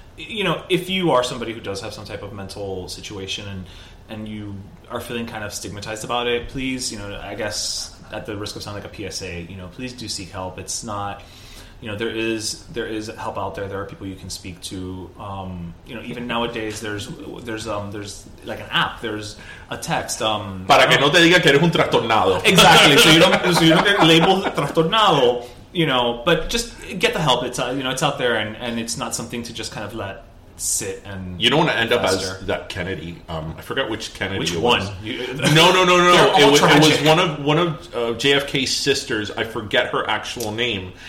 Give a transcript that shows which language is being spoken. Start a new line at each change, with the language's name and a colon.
English: You know, if you are somebody who does have some type of mental situation and you are feeling kind of stigmatized about it, please, you know, I guess at the risk of sounding like a PSA, you know, please do seek help. It's not, you know, there is help out there. There are people you can speak to. You know, even nowadays, there's like an app. There's a text.
Spanish: Para que no te diga que eres un trastornado.
English: Exactly. So you don't get labeled trastornado. You know, but just get the help. It's you know, it's out there, and it's not something to just kind of let sit and. You don't want to end up as that Kennedy. I forget which Kennedy. Which it was. One? No. It was one of JFK's sisters. I forget her actual name.